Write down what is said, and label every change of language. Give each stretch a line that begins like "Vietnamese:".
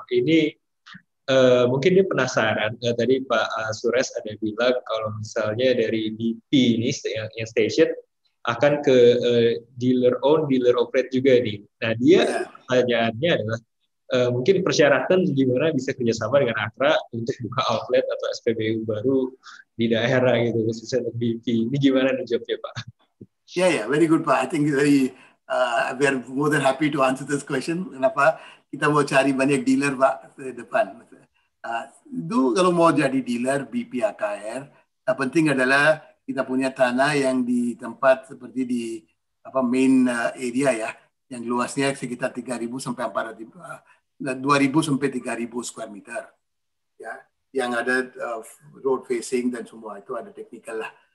Indonesian: Ini mungkin dia penasaran, tadi Pak Sures ada bilang kalau misalnya dari BP ini yang station akan ke dealer own, dealer operate juga nih. Nah dia pertanyaannya adalah mungkin persyaratan gimana bisa kerjasama dengan Akra untuk buka outlet atau SPBU baru di daerah gitu, khususnya untuk BP. Ini gimana nih jawabnya Pak?
English: Yeah, very good Pak. I think very, we are more than happy to answer this question.
Indonesian: Kenapa? Kita mau cari banyak dealer Pak di depan. Itu kalau mau jadi dealer BP AKR, yang penting adalah kita punya tanah yang di tempat seperti di apa main area ya, yang luasnya sekitar 3.000 sampai 4.000, 2.000 sampai 3.000 square meter, ya, yang ada road facing dan semua itu ada technical lah.